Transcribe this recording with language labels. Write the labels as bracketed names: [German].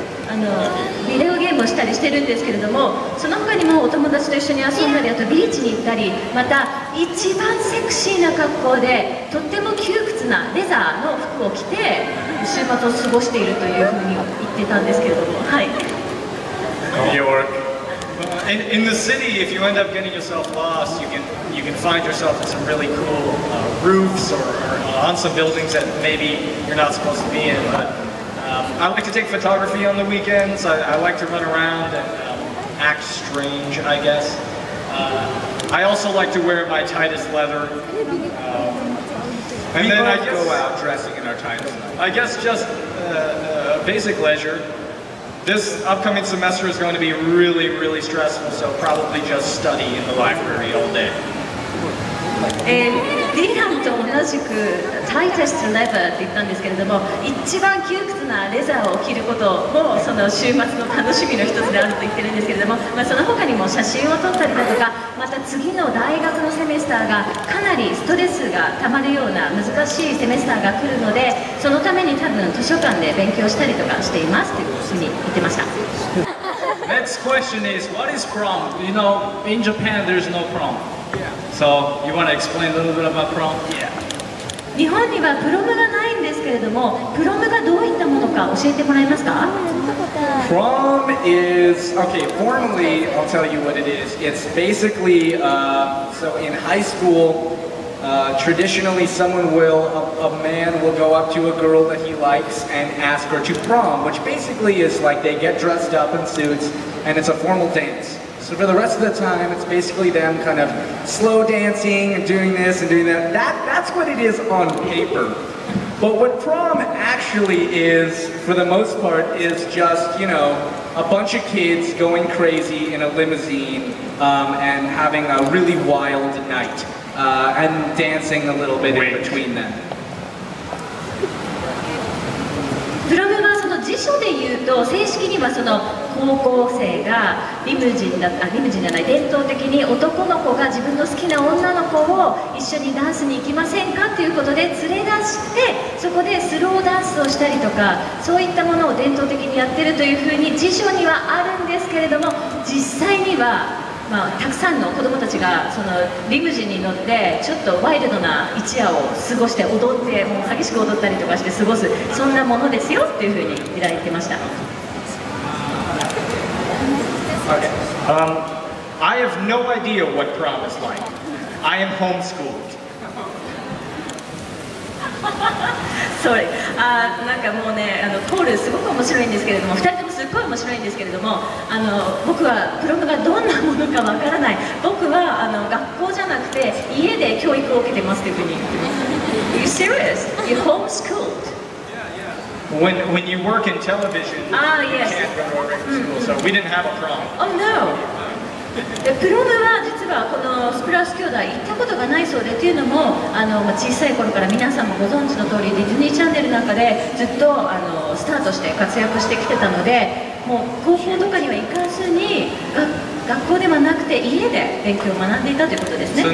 [Japanese] ビデオゲームをしたりしてるんですけれども、その他にもお友達と一緒に遊んだり、あとビーチに行ったり、また一番セクシーな格好でとっても窮屈なレザーの服を着て週末を過ごしているというふうに言ってたんですけれども、はい。 [English] In the city, if you end up getting yourself lost, you can find yourself in some really cool roofs or on some buildings that maybe you're not supposed to be in. But I like to take photography on the weekends. I like to run around and act strange, I guess. I also like to wear my tightest leather. And then I go out dressing in our tightest leather. I guess just basic leisure. This upcoming semester is going to be really, really stressful, so probably just study in the library all day. [Japanese] ディランと同じく [English] tightest leather [Japanese] って言ったんですけれども、一番窮屈なレザーを着ることもその週末の楽しみの一つであると言ってるんですけれども、まあ、その他にも写真を撮ったりだとか、また次の大学のセメスターがかなりストレスがたまるような難しいセメスターが来るので、そのために多分図書館で勉強したりとかしていますというふうに言ってました。 [English] Next question is, what is prom? You know, in Japan, there's no prom. So, you want to explain a little bit about prom? Yeah. [Japanese] 日本にはプロムがないんですけれども、プロムがどういったものか教えてもらえますか? [English] Prom is, okay, formally, I'll tell you what it is. It's basically, so in high school, traditionally someone will, a man will go up to a girl that he likes and ask her to prom, which basically is like they get dressed up in suits and it's a formal dance. So for the rest of the time, it's basically them kind of slow dancing and doing this and doing that. That's what it is on paper. But what prom actually is, for the most part, is just, you know, a bunch of kids going crazy in a limousine and having a really wild night and dancing a little bit in between them. [Japanese] 辞書で言うと正式にはその高校生がリムジンじゃない、伝統的に男の子が自分の好きな女の子を一緒にダンスに行きませんかということで連れ出して、そこでスローダンスをしたりとかそういったものを伝統的にやってるというふうに辞書にはあるんですけれども、実際にはまあたくさんの子供たちがそのリムジンに乗ってちょっとワイルドな一夜を過ごして、踊ってもう激しく踊ったりとかして過ごす、そんなものですよっていうふうに言ってました。 [English] Okay. I have no idea what prom is like. I am homeschooled. Sorry. [Japanese] なんかもうね、コールすごく面白いんですけれども、2人ともすっごい面白いんですけれども、僕はプロムがどんなものかわからない。僕は学校じゃなくて家で教育を受けてますというふうに言ってます。 [English] You serious? You homeschooled? When you work in television, you can't go to school, so we didn't have a prom. Oh no! [Japanese] The prom は実はこのスプラウス兄弟行ったことがないそうで、というのも小さい頃から皆さんもご存知の通りディズニーチャンネルなんかでずっとスタートして活躍してきてたので、もう高校とかには行かずに学校ではなくて家で勉強を学んでいたということですね。